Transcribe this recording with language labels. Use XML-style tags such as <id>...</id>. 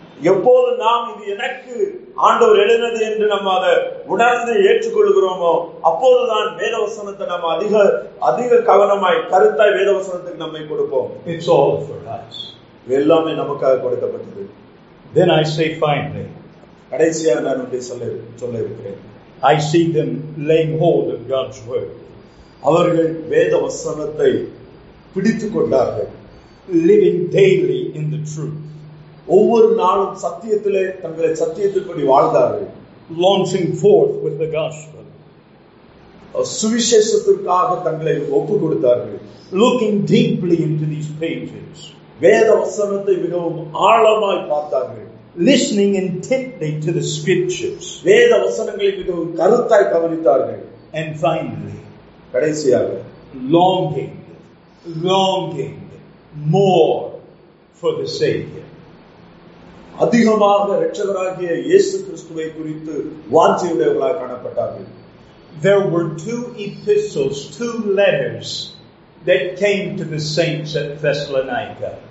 <ta>எப்போது நாம் இது எனக்கு ஆண்டவர் எழுதினது என்று நம்ம அதை உணர்ந்து ஏற்றுக்கொள்கிறோமோ அப்போதுதான் வேதவசனத்தை நம்ம அதிக அதிக கவனமாய் கருத்தாய் வேதவசனத்துக்கு நம்மை கொடுப்போம்.</ta> <en>It's all for us.</en> <ta>எல்லாமே நமக்காக கொடுக்கப்பட்டது.</ta> <en>Then I say finally,</en> <ta>கடைசியாக நான் உங்களுக்கு சொல்ல இருக்கிறேன்,</ta> <en>I see them laying hold of God's word.</en> <ta>அவர்கள் வேத வசனத்தை பிடித்துக் கொண்டார்கள்.</ta> <en>Living daily in the truth.</en> <ta>ஒவ்வொரு நாளும் சத்தியத்திலே தங்களை சத்தியத்தின்படி வாழ்ந்தார்கள்.</ta> <en>Launching forth with the gospel.</en> <ta>சுவிசேஷத்திற்காக தங்களை ஒப்பு கொடுத்தார்கள்.</ta> <en>Looking deeply into these pages.</en> <ta>வேத வசனத்தை மிகவும் ஆழமாய் பார்த்தார்கள்.</ta> <en>Listening intently to the scriptures.</en> <ta>வேத வசனங்களை மிகவும் கருத்தாய் கவனித்தார்கள்.</ta> <en>And finally,</en> <ta>கடைசியாக,</ta> <en>longing more for the Savior.</en> <ta>அதிகமாக இரட்சகராகிய இயேசு கிறிஸ்துவை குறித்து வாஞ்சையுடையவர்களாக காணப்பட்டார்கள்.</ta> <en>There were two epistles, two letters that came to the saints at Thessalonica.</en>